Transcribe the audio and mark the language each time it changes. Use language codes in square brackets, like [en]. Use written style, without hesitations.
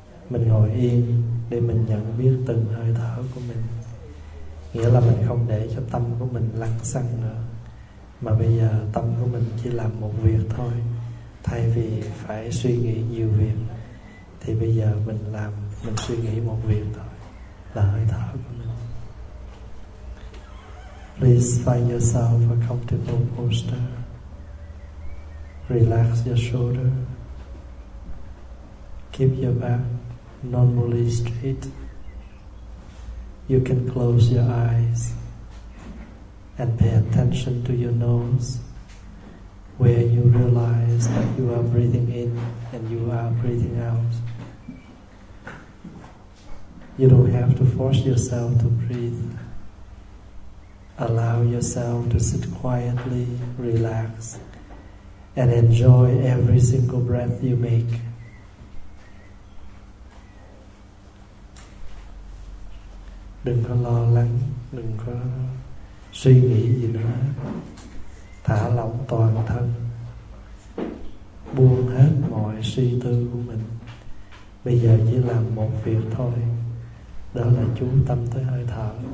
[vi] Mình ngồi yên để mình nhận biết từng hơi thở của mình, nghĩa là mình không để cho tâm của mình lăng xăng nữa, mà bây giờ tâm của mình chỉ làm một việc thôi. Thay vì phải suy nghĩ nhiều việc thì bây giờ mình làm, mình suy nghĩ một việc thôi, là hơi thở của mình. [en] Please find yourself a comfortable posture. Relax your shoulder. Keep your back normally straight. You can close your eyes and pay attention to your nose, where you realize that you are breathing in and you are breathing out. You don't have to force yourself to breathe. Allow yourself to sit quietly, relax, and enjoy every single breath you make. [vi] Đừng có lo lắng, đừng có suy nghĩ gì nữa, thả lỏng toàn thân, buông hết mọi suy tư của mình. Bây giờ chỉ làm một việc thôi, đó là chú tâm tới hơi thở.